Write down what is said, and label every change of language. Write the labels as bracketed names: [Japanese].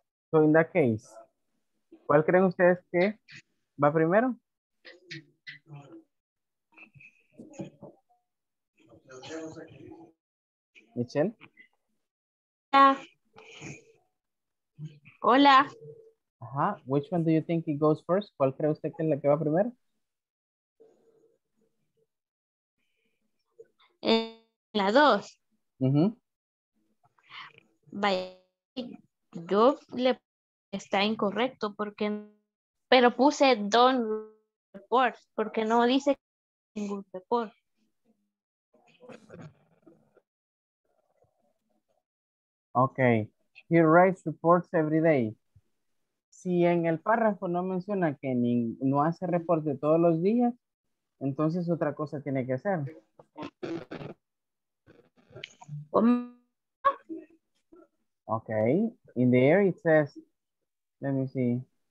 [English] So in that case, [Spanish] ¿cuál creen ustedes que va primero? Michelle. Hola. Hola. Ajá. [English] Which one do you think it goes first? [Spanish] ¿Cuál cree usted que es la que va primero? La dos. Vaya. Yo le está incorrecto porque pero puse [English] don't report [Spanish] porque no dice ningún report. [English] Okay, he writes reports every day. [Spanish] Si en el párrafo no menciona que ni, no hace reporte todos los días, entonces otra cosa tiene que hacer. [English] Okay, in the air it says, let me see.